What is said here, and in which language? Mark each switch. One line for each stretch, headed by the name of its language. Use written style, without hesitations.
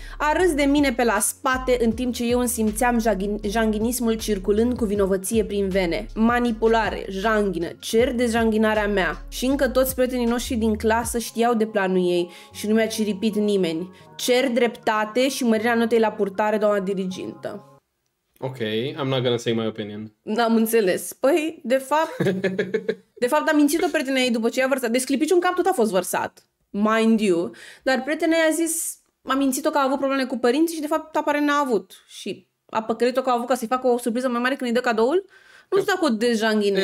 Romanian: A râs de mine pe la spate în timp ce eu îmi simțeam janghinismul circulând cu vinovăție prin vene. Manipulare, janghină, cer dezjanghinarea mea. Și încă toți prietenii noștri din clasă știau de planul ei și nu mi-a ciripit nimeni. Cer dreptate și mărirea notei la purtare, doamna dirigintă.
English: Ok, I'm not gonna say my opinion.
Romanian: N-am înțeles. Păi, de fapt... De fapt, a mințit-o prietena ei după ce i-a vărsat. Deci sclipiciul în cap tot a fost vărsat,
English: mind you.
Romanian: Dar prietena i-a zis, a mințit-o că a avut probleme cu părinții și de fapt apare n-a avut. Și a păcălit-o că a avut ca să-i facă o surpriză mai mare când îi dă cadoul. Nu știu dacă o dejanghinez.